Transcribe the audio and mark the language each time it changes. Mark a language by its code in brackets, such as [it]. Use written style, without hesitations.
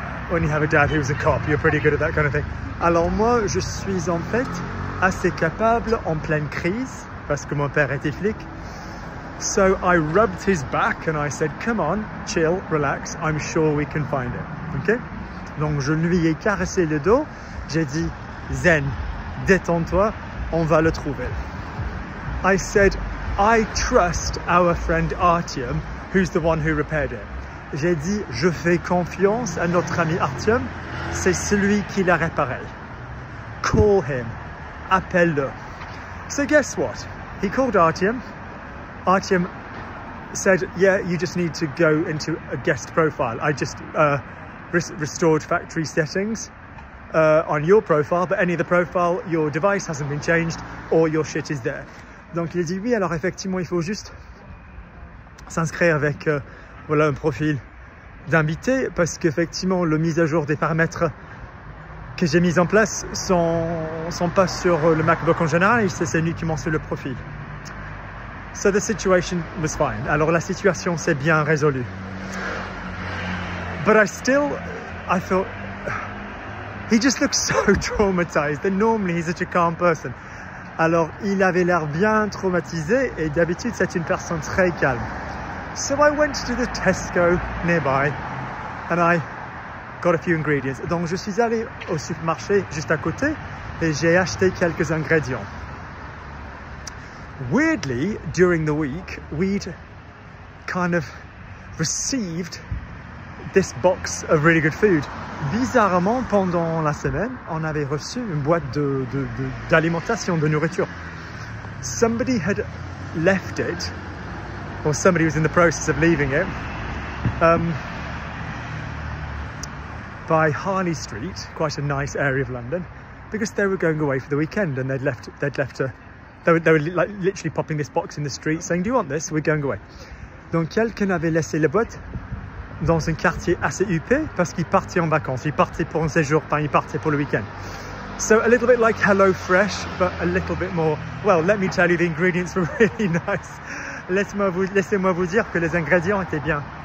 [en] When you have a dad who's a cop, you're pretty good at that kind of thing. [fr] Alors moi, je suis en fait assez capable en pleine crise, parce que mon père était flic. [en] So I rubbed his back and I said, come on, chill, relax, I'm sure we can find it. Okay? [fr] Donc je lui ai caressé le dos, j'ai dit, zen, détends-toi, on va le trouver. [en] I said, I trust our friend Artyom, who's the one who repaired it. [fr] J'ai dit, je fais confiance à notre ami Artyom, c'est celui qui l'a réparé. [en] Call him, [fr] appelle-le. [en] So guess what? He called Artyom. Artyom said, yeah, you just need to go into a guest profile. I just restored factory settings on your profile, but any other profile, your device hasn't been changed, or your shit is there. [fr] Donc il a dit, oui, alors effectivement, il faut juste s'inscrire avec... voilà un profil d'invité parce qu'effectivement le mise à jour des paramètres que j'ai mises en place sont pas sur le MacBook en général, c'est uniquement sur le profil. [en] So the situation was fine. [fr] Alors la situation s'est bien résolue. [en] But I felt, he just looks so traumatized. And normally he's such a calm person. [fr] Alors il avait l'air bien traumatisé et d'habitude c'est une personne très calme. [en] So I went to the Tesco nearby and I got a few ingredients. [fr] Donc je suis allé au supermarché juste à côté et j'ai acheté quelques ingrédients. [en] Weirdly, during the week, we'd kind of received this box of really good food. [fr] Bizarrement, pendant la semaine, on avait reçu une boîte d'alimentation, de nourriture. [en] Somebody had left it, or somebody was in the process of leaving it, by Harley Street, quite a nice area of London, because they were going away for the weekend and they were literally popping this box in the street saying, do you want this? We're going away. [fr] Donc quelqu'un avait laissé la boîte dans un quartier assez huppé parce qu'il partait en vacances. Il partait pour un séjour, enfin, il partait pour le week-end. [en] So a little bit like HelloFresh, but a little bit more, well, let me tell you, the ingredients were really nice. [fr] Laissez-moi vous dire que les ingrédients étaient bien.